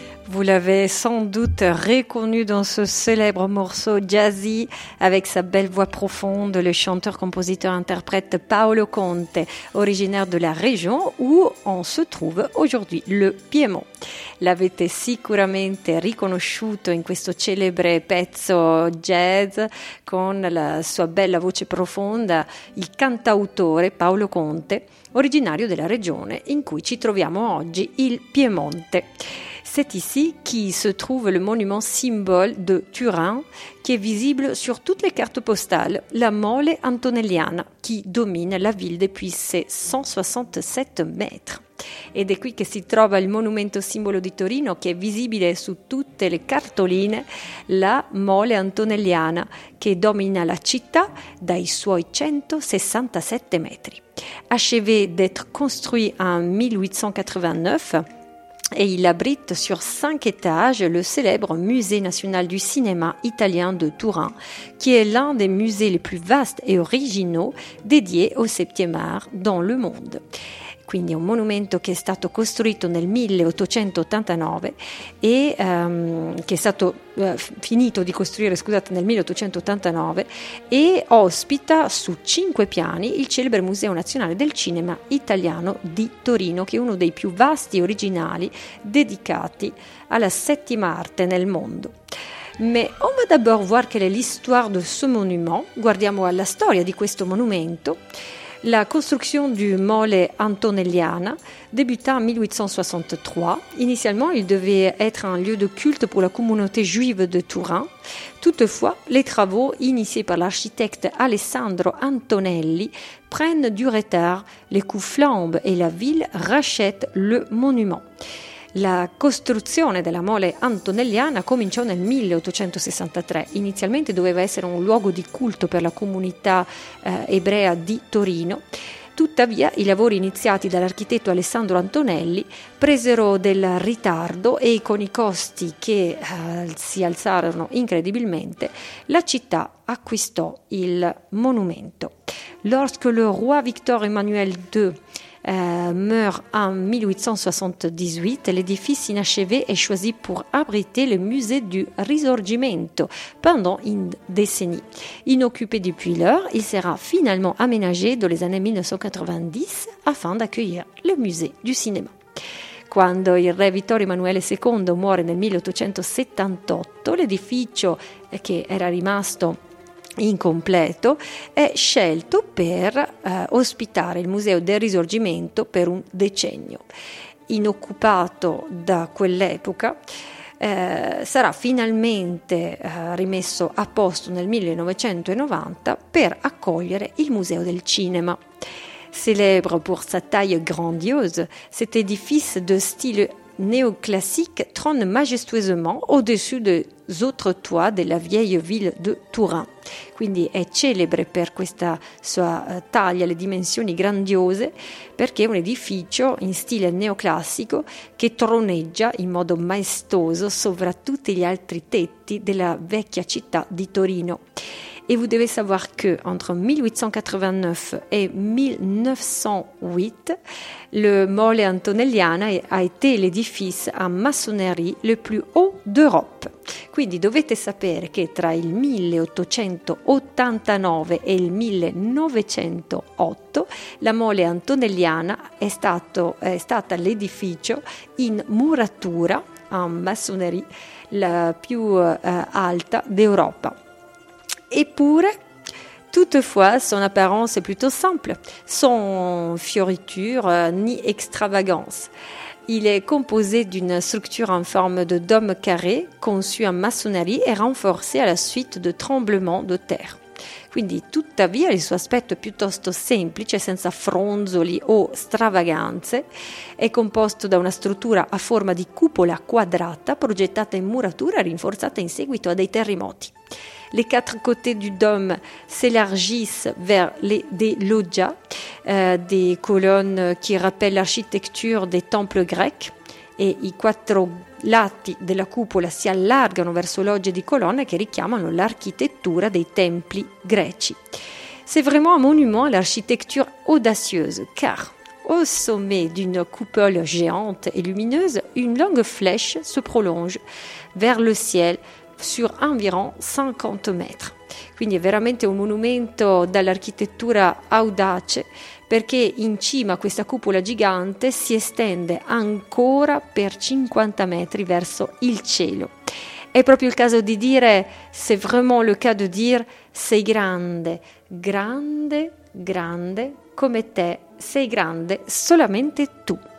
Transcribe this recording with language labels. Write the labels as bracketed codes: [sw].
[fr] Vous l'avez sans doute reconnu dans ce célèbre morceau jazzy avec sa belle voix profonde, le chanteur, compositeur, interprète Paolo Conte, originaire de la région où on se trouve aujourd'hui, le Piémont. [it] L'avete sicuramente riconosciuto in questo celebre pezzo jazz con la sua bella voce profonda, il cantautore Paolo Conte, originario della regione in cui ci troviamo oggi, il Piemonte. [fr] C'est ici qui se trouve le monument symbole de Turin, qui est visible sur toutes les cartes postales, la Mole Antonelliana, qui domine la ville depuis ses 167 mètres. [it] Ed è qui che si trova il monumento simbolo di Torino, che è visibile su tutte le cartoline, la Mole Antonelliana, che domina la città dai suoi 167 metri. [fr] Achevé d'être construit en 1889, et il abrite sur 5 étages le célèbre Musée national du cinéma italien de Turin, qui est l'un des musées les plus vastes et originaux dédiés au 7e art dans le monde. [it] Quindi è un monumento che è stato costruito nel 1889 e che è stato finito di costruire, scusate, nel 1889 e ospita su 5 piani il celebre Museo Nazionale del Cinema Italiano di Torino, che è uno dei più vasti e originali dedicati alla settima arte nel mondo. [fr] Mais on va d'abord voir quelle est l'histoire de ce monument, [it] guardiamo alla storia di questo monumento. [fr] La construction du Mole Antonelliana débuta en 1863. Initialement, il devait être un lieu de culte pour la communauté juive de Turin. Toutefois, les travaux initiés par l'architecte Alessandro Antonelli prennent du retard. Les coûts flambent et la ville rachète le monument. [it] La costruzione della Mole Antonelliana cominciò nel 1863. Inizialmente doveva essere un luogo di culto per la comunità ebrea di Torino. Tuttavia, i lavori iniziati dall'architetto Alessandro Antonelli presero del ritardo e con i costi che si alzarono incredibilmente, la città acquistò il monumento. [fr] Lorsque le roi Victor Emmanuel II meurt en 1878, l'édifice inachevé est choisi pour abriter le musée du Risorgimento pendant une décennie. Inoccupé depuis lors, il sera finalement aménagé dans les années 1990 afin d'accueillir le musée du cinéma. [it] Quando il re Vittorio Emanuele II muore nel 1878, l'edificio che era rimasto incompleto è scelto per ospitare il Museo del Risorgimento per un decennio. Inoccupato da quell'epoca, sarà finalmente rimesso a posto nel 1990 per accogliere il Museo del Cinema. [fr] Célèbre pour sa taille grandiose, cet édifice de style néoclassique trône majestueusement au-dessus des autres toits de la vieille ville de Turin. [it] Quindi è celebre per questa sua taglia, le dimensioni grandiose, perché è un edificio in stile neoclassico che troneggia in modo maestoso sopra tutti gli altri tetti della vecchia città di Torino. [fr] Et vous devez savoir que entre 1889 et 1908, le Mole Antonelliana a été l'édifice en maçonnerie le plus haut d'Europe. [it] Quindi dovete sapere che tra il 1889 e il 1908 la Mole Antonelliana è stata l'edificio in muratura [fr] en maçonnerie [it] la più alta d'Europe. Eppure, [fr] toutefois, son apparence est plutôt simple, sans fioriture ni extravagance. Il est composé d'une structure en forme de dôme carré, conçue en maçonnerie et renforcée à la suite de tremblements de terre. [it] Quindi, tuttavia, il suo aspetto è piuttosto semplice, senza fronzoli o stravaganze. È composto da una struttura a forma di cupola quadrata, progettata in muratura rinforzata in seguito a dei terremoti. [fr] Les quatre côtés du dôme s'élargissent vers des loggias, des colonnes qui rappellent l'architecture des temples grecs, et [it] i quattro lati della cupola si allargano verso logge di colonne che richiamano l'architettura dei templi greci. [fr] C'est vraiment un monument à l'architecture audacieuse, car au sommet d'une coupole géante et lumineuse, une longue flèche se prolonge vers le ciel, sur environ 50 mètres. [it] Quindi è veramente un monumento dall'architettura audace, perché in cima a questa cupola gigante si estende ancora per 50 metri verso il cielo. È proprio il caso di dire, [fr] c'est vraiment le cas de dire, [it] sei grande, grande, grande come te, sei grande solamente tu.